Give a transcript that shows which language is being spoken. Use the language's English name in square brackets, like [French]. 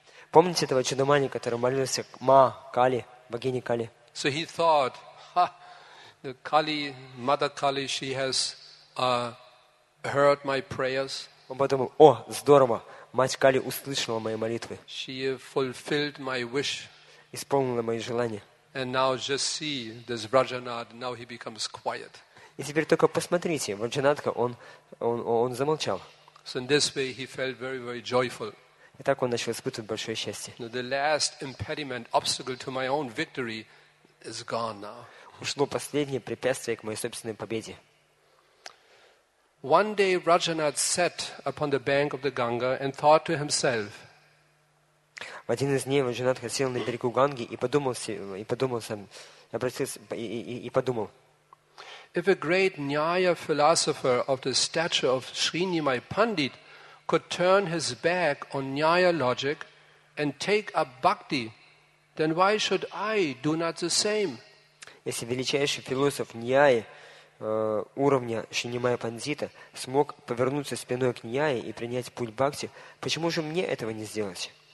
[Russian] Помните этого Чудамани, который молился к Ма, Кали, богине Кали? [English] So he thought, the Kali, Mother Kali, she has heard my prayers. [Russian] Он подумал, о, здорово, мать Кали услышала мои молитвы. [English] She fulfilled my wish. [Russian] Исполнила мои желания. [English] And now just see this Rajanath, now he becomes quiet. [Russian] И теперь только посмотрите, Раджанатха, он замолчал. [English] So in this way he felt very, very joyful. [Russian] И так он начал испытывать большое счастье. [English] Now the last impediment, obstacle to my own victory is gone now. [Russian] Ушло последнее препятствие к моей собственной победе. [English] One day Rajanath sat upon the bank of the Ganga and thought to himself. [Russian] В один из дней Раджанатха сел на берегу Ганги и подумал. [English] If a great Nyaya philosopher of the stature of Srinimai Pandit could turn his back on Nyaya logic and take up bhakti, then why should I do not the same? [Russian] Если величайший философ Nyaya уровня Шинимая Пандита смог повернуться спиной к Ньяе и принять путь Бхакти, почему же мне этого не сделать?